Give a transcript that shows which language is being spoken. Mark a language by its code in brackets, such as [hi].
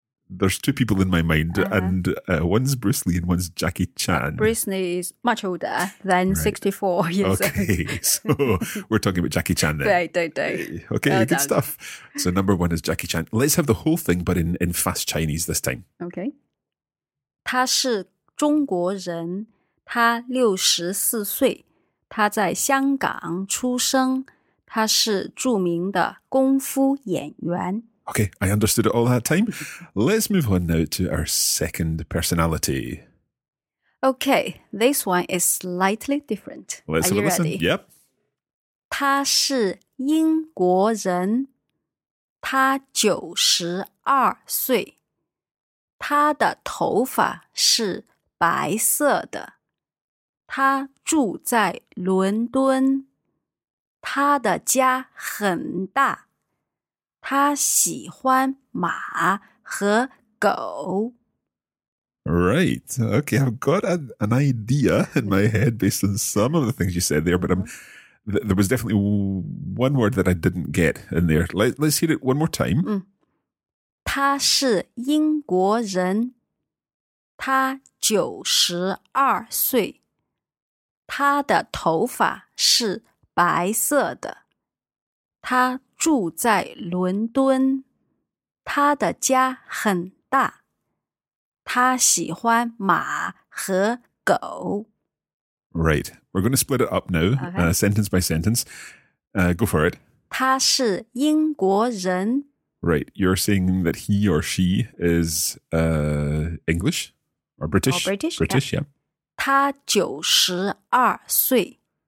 [en] There's two people in my mind, and one's Bruce Lee and one's Jackie Chan. Bruce Lee is much older than 64 years old. Okay, so we're talking about Jackie Chan then. Right, right, right. Okay, well, good done. Stuff. So number one is Jackie Chan. Let's have the whole thing, but in fast Chinese this time. Okay. [zh] 他是中国人,他64岁,他在香港出生,他是著名的功夫演员。 [en] Okay, I understood it all that time. Let's move on now to our second personality. Okay, this one is slightly different. Let's have a listen. Yep. [zh] 他是英国人，他九十二岁，他的头发是白色的，他住在伦敦，他的家很大。他喜欢马和狗。 [en] Right. Okay, I've got an idea in my head based on some of the things you said there, but there was definitely one word that I didn't get in there. Let's hear it one more time. [zh] 他是英国人，他九十二岁，他的头发是白色的，他住在伦敦，他的家很大，他喜欢马和狗。 [en] Right, we're going to split it up now, sentence by sentence. Go for it. [zh] 他是英国人。 [en] Right, you're saying that he or she is English or British? British, yeah. [zh] 他九十二岁。